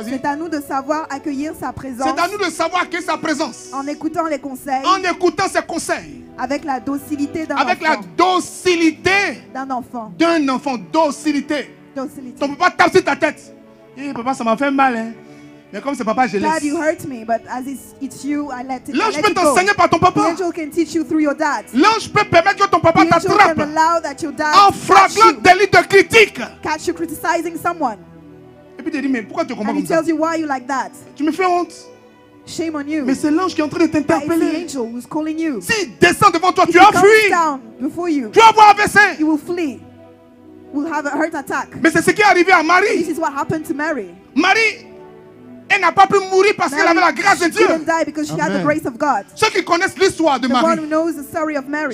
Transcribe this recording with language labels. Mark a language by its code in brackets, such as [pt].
[fr] C'est à nous de savoir accueillir sa présence. C'est à nous de savoir accueillir sa présence. En écoutant les conseils. En écoutant ses conseils. Avec la docilité d'un avec enfant. Avec la docilité d'un enfant. D'un enfant. Docilité. Docilité. Ton papa tape sur ta tête. Hé, hey, papa, ça m'a fait mal, hein. Mais comme c'est papa, je laisse. [en] Dad, you hurt me, but as it's you, I let it go. [fr] L'ange peut t'enseigner par ton papa. [en] The angel can teach you through your dad. [fr] L'ange peut permettre que ton papa t'attrape. [en] The angel can allow that your dad [fr] en flagrant délit de critique. [en] Catch you criticizing someone. [fr] Et puis il te dit, mais pourquoi tu comprends [en] and [fr] comme ça? [en] You why you like that. [fr] Tu me fais honte. [en] Shame on you. [fr] Mais c'est l'ange qui est en train de t'interpeller. [en] It's the angel who's calling you. [fr] Si il descend devant toi, [en] if [fr] tu as fui. [en] Down before you, [fr] tu vas avoir un AVC. [en] You will flee. Will have a heart attack. [fr] Mais c'est ce qui est arrivé à Marie. [en] This is what happened to Mary. [fr] Marie. Elle n'a pas pu mourir parce qu'elle avait la grâce de Dieu. [en] She didn't die because she had the grace of God. [fr] Ceux qui connaissent l'histoire de Marie. [en] The one who knows the story of Mary.